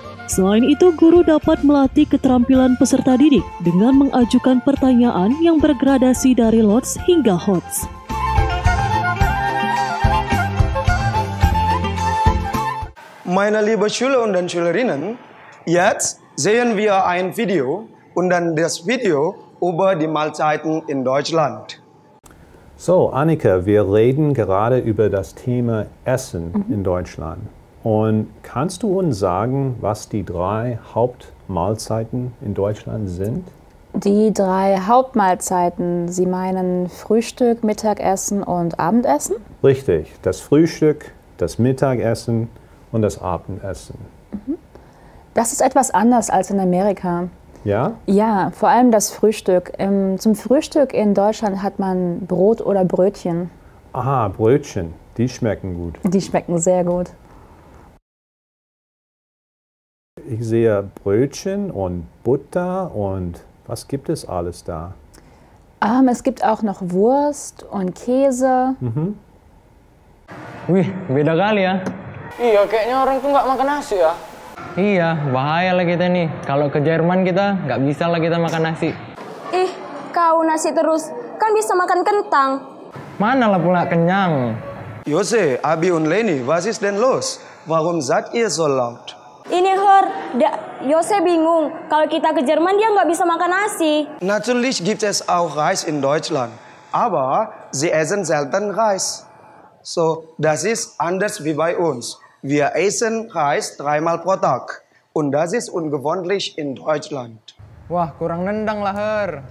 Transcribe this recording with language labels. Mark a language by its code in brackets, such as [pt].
[id] Selain itu, guru dapat melatih keterampilan peserta didik dengan mengajukan pertanyaan yang bergradasi dari lots hingga hots. [de] Meine liebe Schüler und Schülerinnen, jetzt sehen wir ein Video und dann das Video über die Mahlzeiten in Deutschland. So, Annika, wir reden gerade über das Thema Essen in Deutschland. Und kannst du uns sagen, was die drei Hauptmahlzeiten in Deutschland sind? Die drei Hauptmahlzeiten, Sie meinen Frühstück, Mittagessen und Abendessen? Richtig, das Frühstück, das Mittagessen und das Abendessen. Das ist etwas anders als in Amerika. Ja? Ja, vor allem das Frühstück. Zum Frühstück in Deutschland hat man Brot oder Brötchen. Aha, Brötchen, die schmecken gut. Die schmecken sehr gut. Ich sehe Brötchen und Butter und was gibt es alles da? Es gibt auch noch Wurst und Käse. [id] Mhm. Wih, beda kali ya. Iya, kayaknya orang tuh nggak makan nasi ya. Iya, bahaya lah kita nih. Kalau ke Jerman kita, nggak bisa lah kita makan nasi. Ih, kau nasi terus. Kan bisa makan kentang. Mana lah pula kenyang. [de] Jose, Abi und Lenny, was ist denn los? Warum seid ihr so laut? [id] Ini Herr, Jose bingung. Kalau kita ke Jerman dia nggak bisa makan nasi. [de] Natürlich gibt es auch Reis in Deutschland, aber sie essen selten Reis. So, das ist anders wie bei uns. Wir essen Reis dreimal pro Tag und das ist ungewöhnlich in Deutschland. [id] Wah, kurang nendang lah Herr.